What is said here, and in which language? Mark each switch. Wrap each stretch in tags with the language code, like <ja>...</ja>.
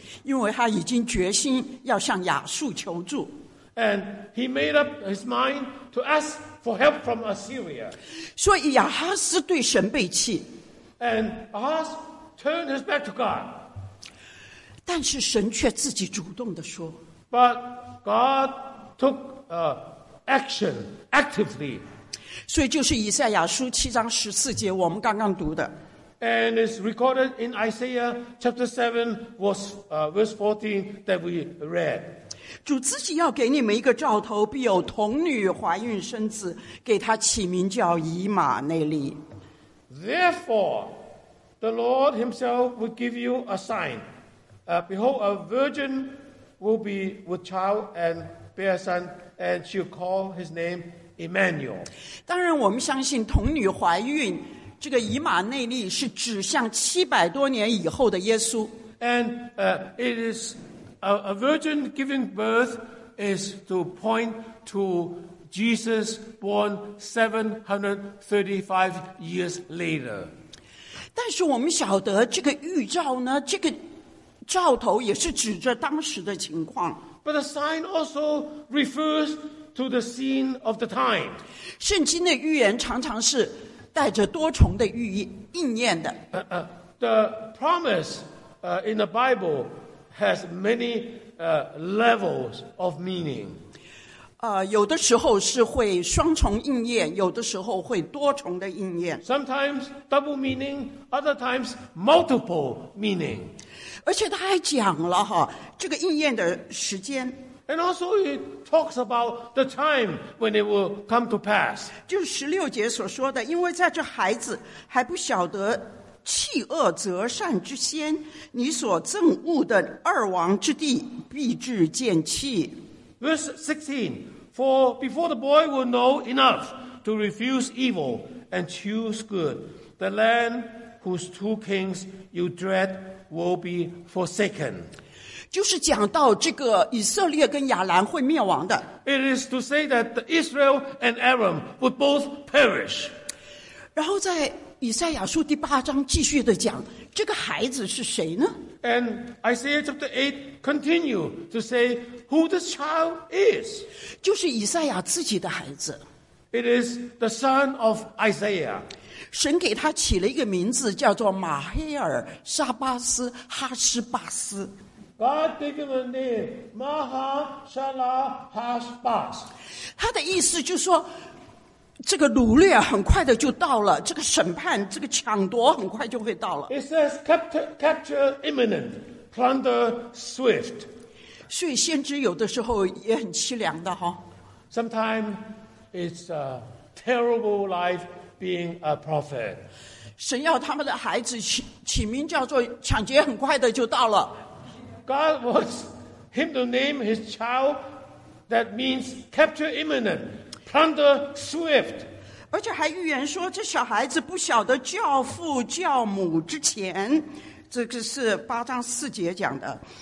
<zh>因为他已经决心要向亚述求助。</zh> <en>And he made up his mind to ask. For help from Assyria.</en> <zh>所以亚哈斯对神背弃。</zh> <en>And Ahaz turned his back to God.</en> <zh>但是神却自己主动地说。</zh> <en>But God took action actively.</en> <zh>所以就是以赛亚书七章十四节我们刚刚读的。</zh> <en>And it's recorded in Isaiah chapter 7 verse 14 that we read.</en> <zh>主自己要给你们一个兆头，必有童女怀孕生子，给他起名叫以马内利。</zh> <en>Therefore, the Lord Himself will give you a sign. Behold, a virgin will be with child and bear a son, and she'll call his name Immanuel.</en> <zh>当然，我们相信童女怀孕，这个以马内利是指向七百多年以后的耶稣。</zh> <en>And it is. A virgin giving birth is to point to Jesus born 735 years later.</en> <zh>但是我们晓得这个预兆呢，这个兆头也是指着当时的情况。</zh> <en>But the sign also refers to the scene of the time.</en> <zh>圣经的预言常常是带着多重的寓意应验的。</zh> <en>The promise in the Bible. Has many levels of meaning.</en> <zh>有的时候是会双重应验，有的时候会多重的应验。</zh> <en>Sometimes double meaning, other times multiple meaning.</en> <zh>而且他还讲了哈，这个应验的时间。</zh> <en>And also it talks about the time when it will come to pass.</en> <zh>就十六节所说的，因为在这孩子还不晓得。弃恶择善之先，你所憎恶的二王之地必至见弃。</zh> <en>Verse 16, for before the boy will know enough to refuse evil and choose good, the land whose two kings you dread will be forsaken.</en> <zh>就是讲到这个以色列跟亚兰会灭亡的。</zh> <en>It is to say that Israel and Aram would both perish.</en> <zh>然后在以赛亚书第八章继续的讲，这个孩子是谁呢？</zh> <en>And Isaiah chapter 8 continue to say who this child is.</en> <zh>就是以赛亚自己的孩子。</zh> <en>It is the son of Isaiah.</en> <zh>神给他起了一个名字，叫做马黑尔沙巴斯哈施巴斯。</zh> <en>God gave him a name, Maha-Shalah-Hash-Bas.</en> <zh>他的意思就是说，这个掳掠很快的就到了，这个审判，这个抢夺很快就会到了。</zh> <en>It says capture imminent, plunder swift.</en> <zh>所以先知有的时候也很凄凉的哈。</zh> <en>Sometimes it's a terrible life being a prophet.</en> <zh>神要他们的孩子起名叫做抢劫，很快的就到了。</zh> <en>God wants him to name his child that means capture imminent, plunder swift.</en> <zh>而且还预言说这小孩子不晓得教父教母之前，这个是八章四节讲的。</zh>